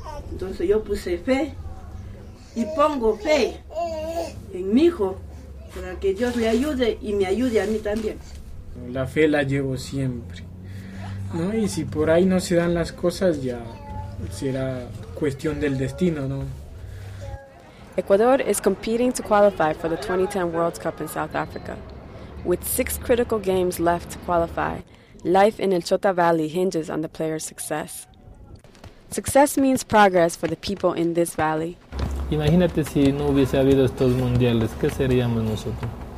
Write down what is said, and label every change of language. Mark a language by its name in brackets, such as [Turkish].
[Spanish] Entonces yo puse fe y pongo fe en mi hijo para que Dios le ayude y me ayude a mí también. La fe la llevo siempre, ¿no? Y si por ahí no se dan las cosas, ya será cuestión del destino, ¿no? [English] Ecuador is competing to qualify for the 2010 World Cup in South Africa. With 6 critical games left to qualify, life in El Chota Valley hinges on the player's success. Success means progress for the people in this valley. [Spanish] Imagínate si no hubiese habido estos mundiales, ¿qué seríamos nosotros?